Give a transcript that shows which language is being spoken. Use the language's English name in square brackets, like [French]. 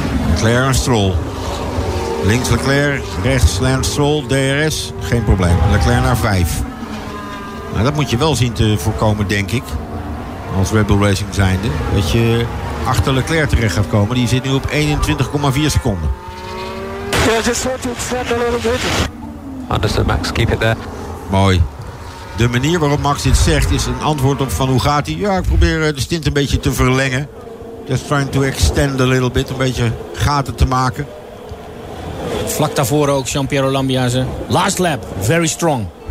[Dutch] Leclerc en Stroll. Links Leclerc, rechts Lance Stroll, DRS. Geen probleem. Leclerc naar 5. Nou, dat moet je wel zien te voorkomen, denk ik. Als Red Bull Racing zijnde. Dat je achter Leclerc terecht gaat komen. Die zit nu op 21,4 seconden. [English] Yeah, I just want to extend a little bit. Understood, Max. Keep it there. [Dutch] Mooi. De manier waarop Max dit zegt is een antwoord op van hoe gaat hij. Ja, ik probeer de stint een beetje te verlengen. [English] Just trying to extend a little bit. [Dutch] Een beetje gaten te maken. Vlak daarvoor ook, [English] Giampiero Lambiase. Last lap. Very strong.